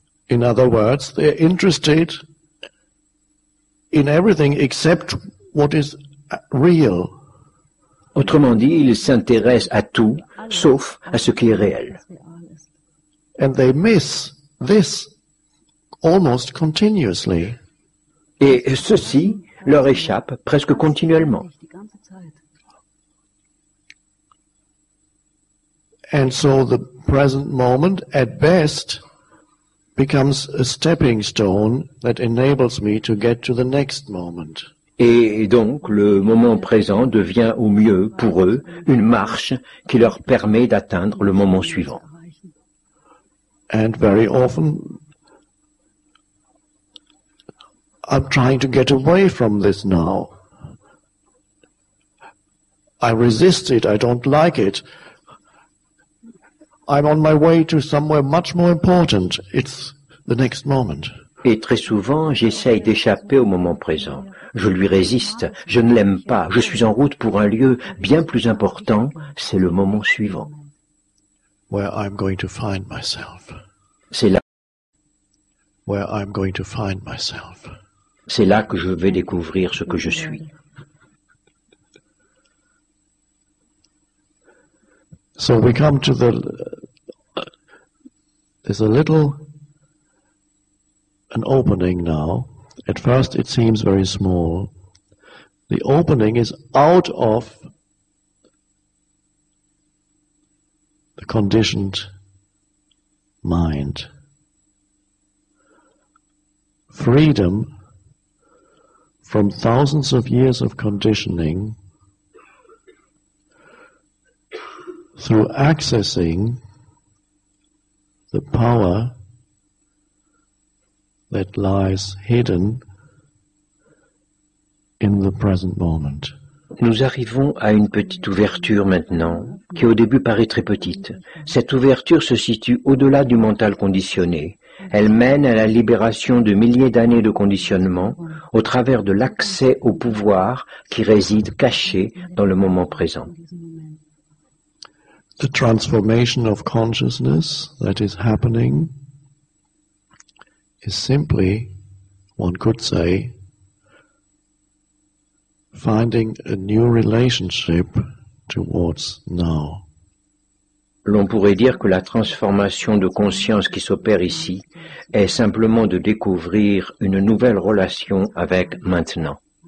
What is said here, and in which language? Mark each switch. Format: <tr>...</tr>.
<en>In other words, they're interested in everything except what is real.</en> <fr>Autrement dit, ils s'intéressent à tout, sauf à ce qui est réel.</fr> <en>And they miss this almost continuously.</en> <fr>Et ceci leur échappe presque continuellement.</fr> <en>And so the present moment, at best, becomes a stepping stone that enables me to get to the next moment.</en> <fr>Et donc, le moment présent devient au mieux, pour eux, une marche qui leur permet d'atteindre le moment suivant.</fr> <en>And very often, I'm trying to get away from this now. I resist it, I don't like it. I'm on my way to somewhere much more important. It's the next moment.</en> <fr>Et très souvent, j'essaye d'échapper au moment présent. Je lui résiste, je ne l'aime pas, je suis en route pour un lieu bien plus important, c'est le moment suivant.</fr> <en>Where I'm going to find myself.</en> <fr>C'est là.</fr> <en>Where I'm going to find myself.</en> <fr>C'est là que je vais découvrir ce que je suis.</fr> <en>So we come to the there's a little an opening now. At first it seems very small. The opening is out of the conditioned mind. Freedom from thousands of years of conditioning through accessing the power that lies hidden in the present moment.</en> <fr>Nous arrivons à une petite ouverture maintenant, qui au début paraît très petite. Cette ouverture se situe au-delà du mental conditionné. Elle mène à la libération de milliers d'années de conditionnement au travers de l'accès au pouvoir qui réside caché dans le moment présent.</fr> <en>The transformation of consciousness that is happening is simply, one could say, finding a new relationship towards now.</en> <fr>L'on pourrait dire que la transformation de conscience qui s'opère ici est simplement de découvrir une nouvelle relation avec maintenant.</fr>